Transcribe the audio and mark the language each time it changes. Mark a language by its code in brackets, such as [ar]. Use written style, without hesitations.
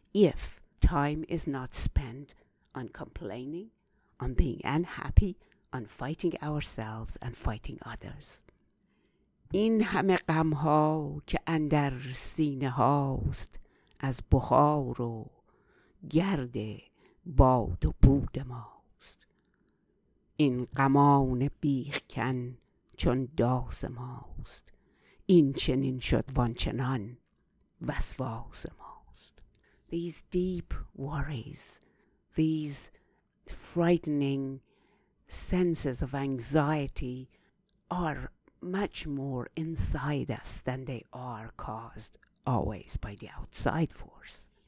[en] If time is not spent on complaining, on being unhappy, on fighting ourselves and fighting others. [fa] این همه غم ها که اندر سینه هاست از بخار و گرد باد و بود ماست. این غمان بیخکن چون داس ماست. این چنین شد وان چنان وسواس ماست. [en] These deep worries, these frightening senses of anxiety are much more inside us than they are caused always by the outside force.